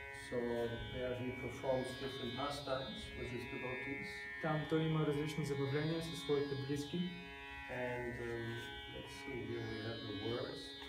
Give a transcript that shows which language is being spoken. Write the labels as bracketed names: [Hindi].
[English] So there he performs different pastimes with his devotees. [Bulgarian] Там той има различни забавления със своите близки. [English] And let's see, here we have the words.